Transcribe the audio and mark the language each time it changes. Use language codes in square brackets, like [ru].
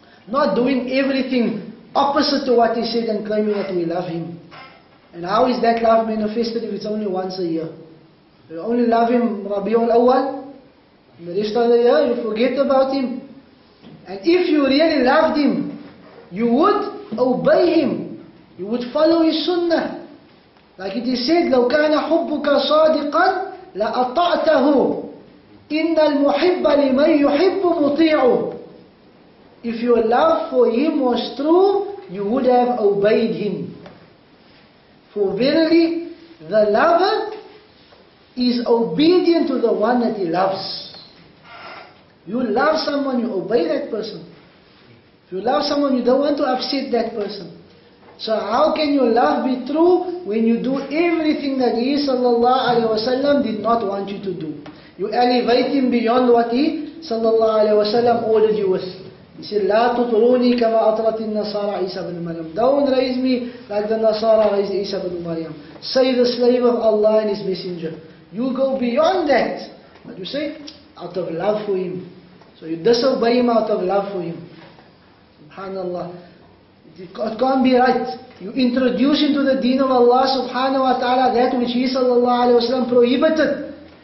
[en] Not doing everything opposite to what he said and claiming that we love him. And how is that love manifested if it's only once a year? You only love him Rabi'ul Awwal, the rest of the year you forget about him. And if you really loved him, you would obey him. You would follow his sunnah. Like it is said, [ar] لو كان حبك صادقا لأطعته إن المحب لمن يحب مطيع. [en] If your love for him was true, you would have obeyed him. For verily, the lover is obedient to the one that he loves. You love someone, you obey that person. If you love someone, you don't want to upset that person. So how can your love be true when you do everything that he sallallahu alayhi wa sallam did not want you to do? You elevate him beyond what he sallallahu alayhi wa sallam ordered you with. He said, [ar] لا تطروني كما أطرت النصارى عيسى بن مريم. [en] Don't raise me like the Nasara raised عيسى بن مريم. Say the slave of Allah and his messenger. You go beyond that. What do you say? Out of love for him. So you disobey him out of love for him. SubhanAllah. It can't be right. You introduce into the deen of Allah subhanahu wa ta'ala that which he sallallahu alayhi wa sallam prohibited.